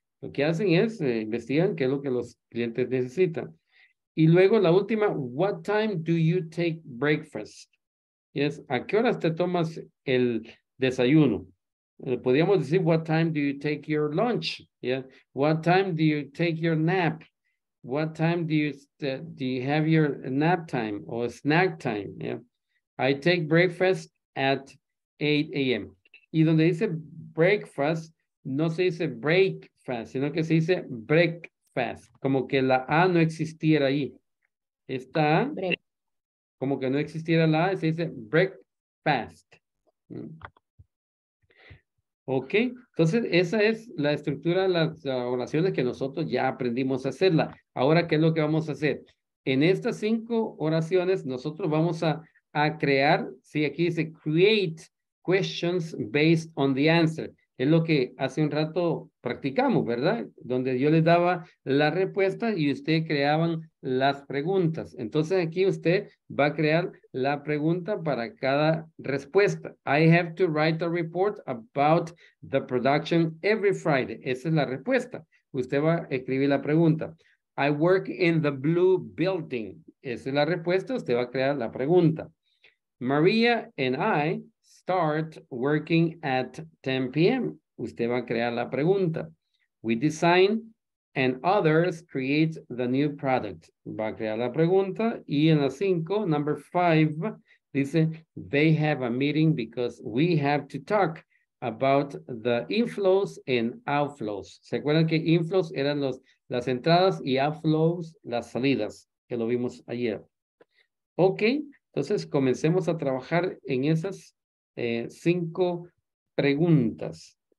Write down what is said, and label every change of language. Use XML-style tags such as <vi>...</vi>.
<es>Lo que hacen es investigan qué es lo que los clientes necesitan. Y luego la última,</es> <en>what time do you take breakfast?</en> <es>Yes, ¿a qué horas te tomas el desayuno? Podríamos decir,</es> <en>what time do you take your lunch? Yeah, what time do you take your nap? What time do you have your nap time or snack time? Yeah, I take breakfast at 8 a.m.</en> <es>Y donde dice breakfast, no se dice breakfast, sino que se dice breakfast. Como que la A no existiera ahí. Está break. Como que no existiera la A, se dice breakfast. Ok, entonces esa es la estructura de las oraciones que nosotros ya aprendimos a hacerla. Ahora, ¿qué es lo que vamos a hacer? En estas 5 oraciones, nosotros vamos a crear, sí, aquí dice</es> <en>create questions based on the answer.</en> <es>Es lo que hace un rato practicamos, ¿verdad? Donde yo les daba la respuesta y ustedes creaban las preguntas. Entonces aquí usted va a crear la pregunta para cada respuesta.</es> <en>I have to write a report about the production every Friday.</en> <es>Esa es la respuesta. Usted va a escribir la pregunta.</es> <en>I work in the blue building.</en> <es>Esa es la respuesta. Usted va a crear la pregunta.</es> <en>Maria and I start working at 10 p.m.</en> <es>Usted va a crear la pregunta.</es> <en>We design and others create the new product.</en> <es>Va a crear la pregunta. Y en la 5, number 5, dice,</es> <en>they have a meeting because we have to talk about the inflows and outflows.</en> <es>¿Se acuerdan que inflows eran las entradas y outflows las salidas? Que lo vimos ayer. Ok, entonces comencemos a trabajar en esas 5 preguntas.</es>